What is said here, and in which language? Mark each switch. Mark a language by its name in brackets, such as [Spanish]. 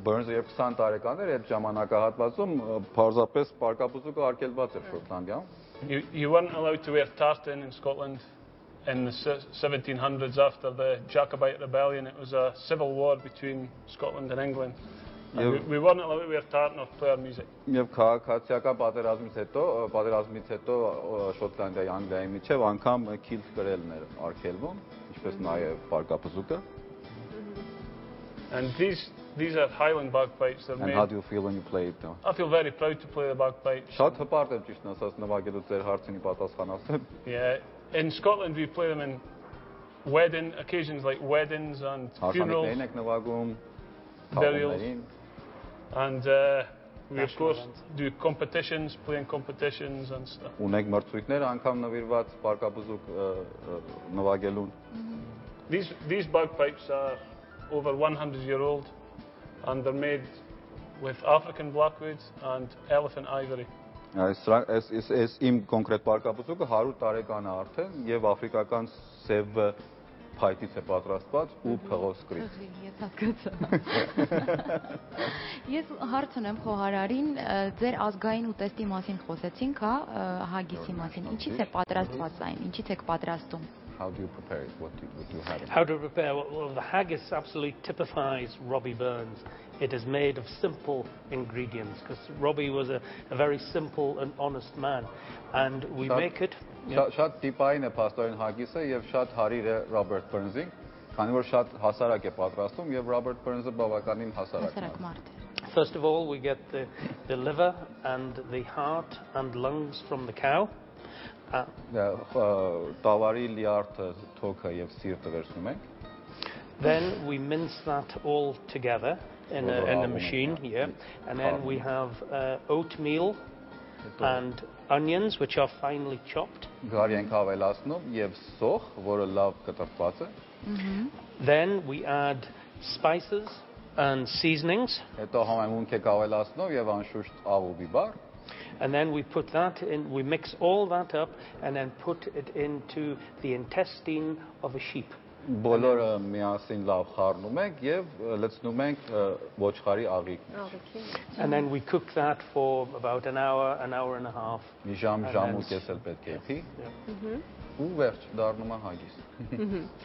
[Armenian] Burns երբ 20 տարեկան էր, այդ ժամանակահատվածում parzapes parkapuzuk-ը արգելված էր Շոտլանդիա. [English] You weren't allowed to wear tartan in Scotland. In the 1700s, after the Jacobite Rebellion, it was a civil war between Scotland and England. And yep. We weren't allowed to wear tartan or play our music. [Armenian] Եվ քաղաքացիական պատերազմից հետո Շոտլանդիայի Անգլիայի միջև անգամ քիլթ կրելն էր արգելվում, ինչպես նաև պարկապզուկը. [English] And these are Highland bagpipes. They're made. And how do you feel when you play it, though? I feel very proud to play the bagpipes. [Armenian] Շատ հպարտ եմ ճիշտ ասած նվագելու ձեր հարցին պատասխանացնել. [English] Yeah. In Scotland, we play them in wedding occasions like weddings and funerals, burials, and we of course do competitions, playing competitions and stuff. [Armenian] Ունենք մրցույթներ անգամ նվիրված պարկապզուկ նվագելուն. [English] These bagpipes are over 100 years old, and they're made with African blackwood and elephant ivory. [Armenian] Այս իմ կոնկրետ պարկապզուկը 100 տարեկան է արդեն եւ աֆրիկական սև փայտից է պատրաստված ու փղոսկրից։ Ես հասկացա։ Ես հարց ունեմ խոհարարին, ձեր ազգային ուտեստի մասին խոսեցինք, հա, հագիսի մասին։ Ինչից է պատրաստված այն, ինչից եք պատրաստում։ [English] How do you prepare it? What do you have? How to prepare? Well, the haggis absolutely typifies Robbie Burns. It is made of simple ingredients because Robbie was a very simple and honest man, and we [Armenian] շատ, [English] make it. [Armenian] Շատ տիպային է փաստորեն հագիսը եւ շատ հարիր է Robert Burns-ին, քանի որ շատ հասարակ է պատրաստում եւ Robert Burns-ը բավականին հասարակ մարդ է։ [English] First of all, we get the liver and the heart and lungs from the cow. Then we mince that all together in a machine here, yeah. And then we have oatmeal and onions, which are finely chopped. Mm-hmm. Then we add spices and seasonings. And then we mix all that up and then put it into the intestine of a sheep. [Armenian] Բոլորը միասին լավ խառնում ենք եւ լցնում ենք ոչխարի աղիքն։ [English] And then we cook that for about an hour and a half. [Armenian] Մի ժամ ու կես էլ պետք է փի։ Ու վերջ դառնում է հագիս։